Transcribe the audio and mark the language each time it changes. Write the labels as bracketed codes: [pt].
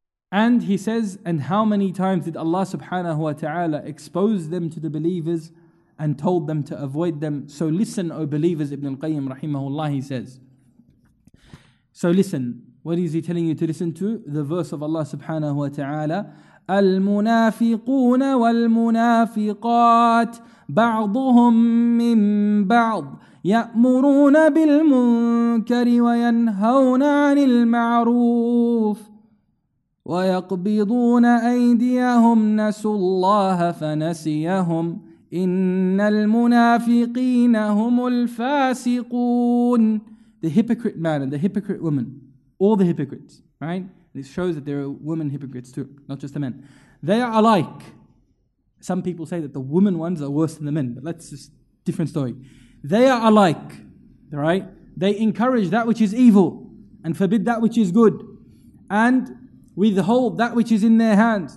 [en] And he says, and how many times did Allah subhanahu wa ta'ala expose them to the believers and told them to avoid them? So listen, O believers, Ibn al-Qayyim rahimahullah, he says. So listen, what is he telling you to listen to? [ar] The verse of Allah subhanahu wa ta'ala, المنافقون والمنافقات بعضهم من بعض يأمرون بالمنكر وينهون عن المعروف ويقبضون أيديهم نسوا الله فنسيهم إن المنافقين هم الفاسقون. [en] The hypocrite man and the hypocrite woman, all the hypocrites, right? This shows that there are women hypocrites too, not just the men. They are alike. Some people say that the women ones are worse than the men, but that's just a different story. They are alike, right? They encourage that which is evil and forbid that which is good and withhold that which is in their hands.